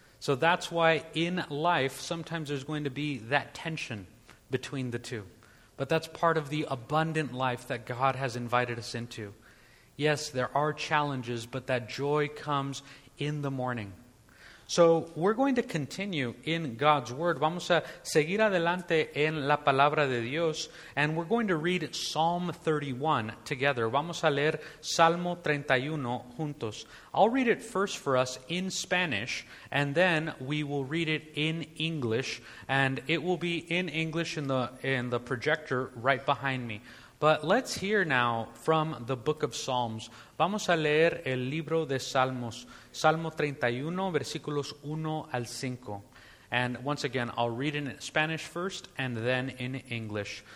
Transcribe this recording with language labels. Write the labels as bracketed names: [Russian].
[English] So that's why in life, sometimes there's going to be that tension between the two. But that's part of the abundant life that God has invited us into. Yes, there are challenges, but that joy comes in the morning. So we're going to continue in God's Word. [Spanish] Vamos a seguir adelante en la Palabra de Dios. [English] And we're going to read Psalm 31 together. [Spanish] Vamos a leer Salmo 31 juntos. [English] I'll read it first for us in Spanish, and then we will read it in English. And it will be in English in the projector right behind me. But let's hear now from the book of Psalms. [Spanish] Vamos a leer el libro de Salmos, Salmo 31, versículos 1 al 5. [English] And once again, I'll read in Spanish first and then in English.